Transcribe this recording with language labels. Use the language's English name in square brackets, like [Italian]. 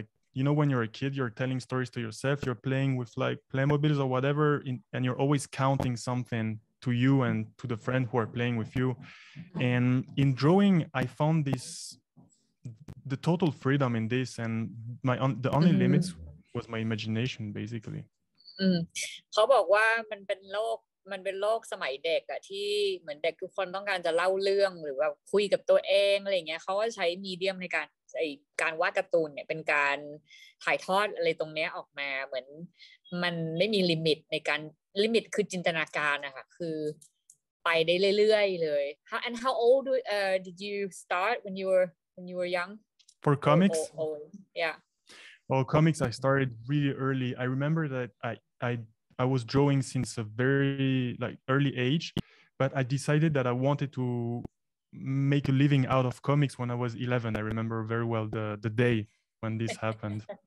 [English] Like you know, when you're a kid, you're telling stories to yourself. You're playing with like Playmobiles or whatever, and you're always counting something to you and to the friend who are playing with you. And in drawing, I found the total freedom in this, and the only limits. Was my imagination basically? [Thai] เขาบอกว่ามันเป็นโลกมันเป็นโลกสมัยเด็กอะที่เหมือนเด็กทุกคนต้องการจะเล่าเรื่องหรือว่าคุยกับตัวเองอะไรเงี้ยเขาก็ใช้มีเดียมในการไอการวาดการ์ตูนเนี่ยเป็นการถ่ายทอดอะไรตรงเนี้ยออกมาเหมือนมันไม่มีลิมิตในการลิมิตคือจินตนาการนะคะคือไปได้เรื่อยๆเลย [English] How and how old did you start when you were young for comics? Yeah. Oh, comics! I started really early. I remember that I was drawing since a very like early age, but I decided that I wanted to make a living out of comics when I was 11. I remember very well the day when this happened.